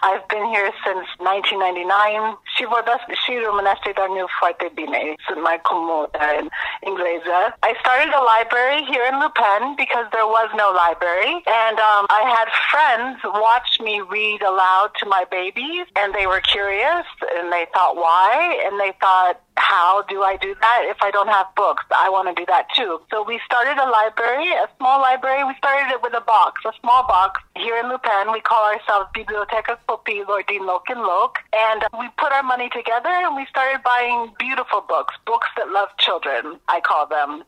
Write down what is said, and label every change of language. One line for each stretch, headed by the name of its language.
English: I've been here since 1999.
Romanian: Și vorbesc și românește, dar nu foarte bine. Sunt mai comodă în engleză.
English: I started a library here in Lupen because there was no library. And I had friends watch me read aloud to my babies. And they were curious. And they thought, why? And they thought, how do I do that if I don't have books? I want to do that too. So we started a library, a small library. We started it with a box, a small box. Here in Lupen, we call ourselves Biblioteca Copiilor din Loc în Loc. And we put our money together and we started buying beautiful books, books that love children, I call them.